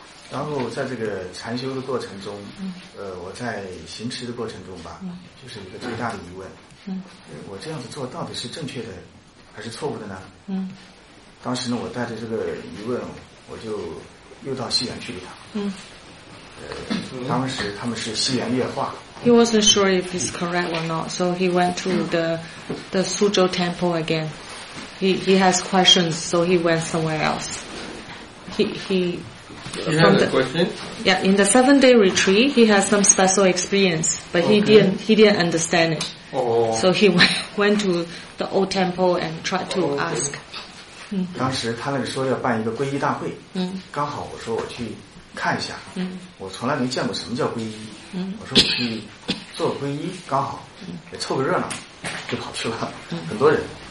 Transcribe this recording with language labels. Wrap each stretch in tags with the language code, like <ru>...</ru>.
<zh>然后在这个禅修的过程中，我在行持的过程中吧，就是一个最大的疑问。我这样子做到底是正确的，还是错误的呢？当时呢，我带着这个疑问，我就。又到西园去了。当时他们是西园夜话。</zh> <en>He wasn't sure if it's correct or not, so he went to the Suzhou Temple again. He has questions, so he went somewhere else. He has a question. Yeah, in the 7-day retreat, he has some special experience, but he didn't understand it. So he went to the old temple and tried to ask.</en> <zh>当时他那个说要办一个皈依大会，刚好我说我去看一下，我从来没见过什么叫皈依，我说我去做皈依，刚好也凑个热闹，就跑去了，很多人。</zh>